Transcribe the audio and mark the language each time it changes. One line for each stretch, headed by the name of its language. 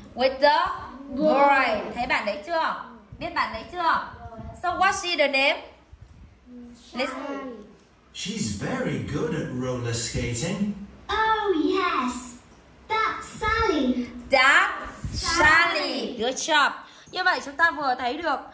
English: with the boy.
Vietnamese: Thấy bạn đấy chưa? Biết bạn đấy chưa?
English: So what's she the name? She's very good at roller skating. Oh yes, that's Sally. That's Sally. Good job.
Vietnamese: Như vậy chúng ta vừa thấy được